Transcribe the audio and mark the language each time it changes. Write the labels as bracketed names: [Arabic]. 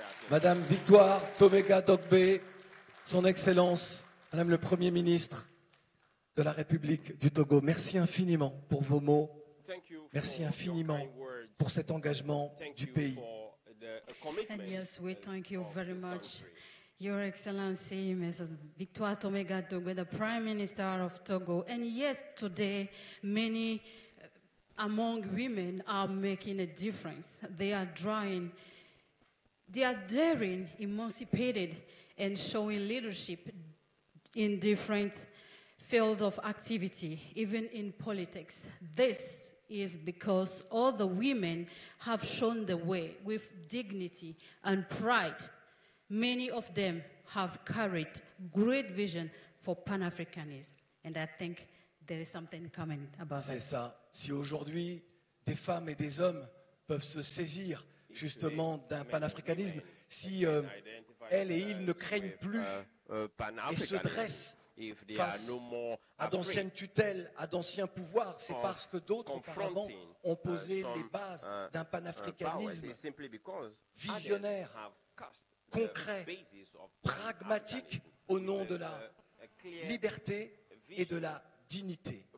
[French] Madame Victoire Tomega Dogbe, Son Excellence, Madame le Premier ministre de la République du Togo, merci infiniment pour vos mots. Merci infiniment pour cet engagement du pays. [English] And yes, we thank you very much, Your Excellency, Mrs. Victoire Tomega Dogbe, the Prime Minister of Togo. And yes, today, many among women are making a difference. They are drawing, they are daring, emancipated, and showing leadership in different fields of activity, even in politics. This is because all the women have shown the way with dignity and pride. Many of them have carried great vision for Pan-Africanism, and I think there is something coming about it. [French] C'est ça. Si aujourd'hui des femmes et des hommes peuvent se saisir justement d'un panafricanisme, si elle et il ne craignent plus et se dressent face à d'anciennes tutelles, à d'anciens pouvoirs. C'est parce que d'autres auparavant ont posé les bases d'un panafricanisme visionnaire, concret, pragmatique, au nom de la liberté et de la dignité.